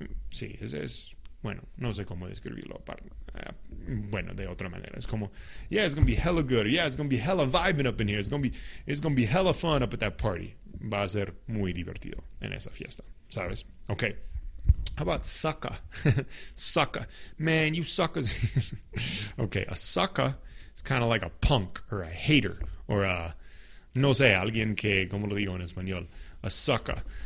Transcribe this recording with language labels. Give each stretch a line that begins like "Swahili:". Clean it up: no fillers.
Spanish: Sí, es, bueno, no sé cómo describirlo, bueno, de otra manera. Es como,
English: yeah, it's gonna be hella good. Yeah, it's gonna be hella vibing up in here. It's gonna be hella fun up at that party.
Spanish: Va a ser muy divertido en esa fiesta, ¿sabes?
English: Okay, how about sucker? Sucker. Man, you suckers. Okay, a sucker is kind of like a punk or a hater or a...
Spanish: No sé, alguien que, ¿cómo lo digo en español? A sucker.